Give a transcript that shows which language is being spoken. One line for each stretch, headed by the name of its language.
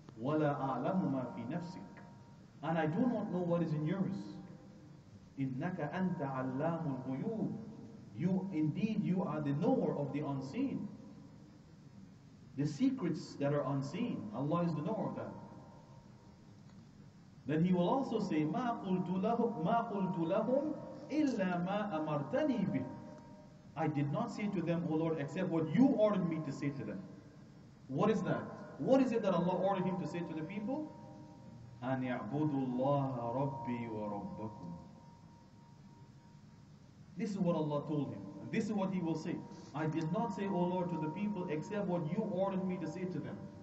Arabic: وَلَا أَعْلَمُ مَا فِي نَفْسِكَ.
English: And I do not know what is in yours.
Arabic: إِنَّكَ أَنْتَ عَلَّامُ الْغُيُوبِ.
English: You indeed, you are the knower of the unseen. The secrets that are unseen, Allah is the knower of that. Then He will also say,
Arabic: مَا قُلْتُ لَهُمْ إِلَّا مَا أَمَرْتَنِي بِهِ.
English: I did not say to them, O Lord, except what You ordered me to say to them. What is that? What is it that Allah ordered him to say to the people?
Arabic: أَنْ يَعْبُدُ اللَّهَ رَبِّي وَرَبَّكُمْ.
English: This is what Allah told him. This is what he will say. I did not say, O Lord, to the people, except what You ordered me to say to them.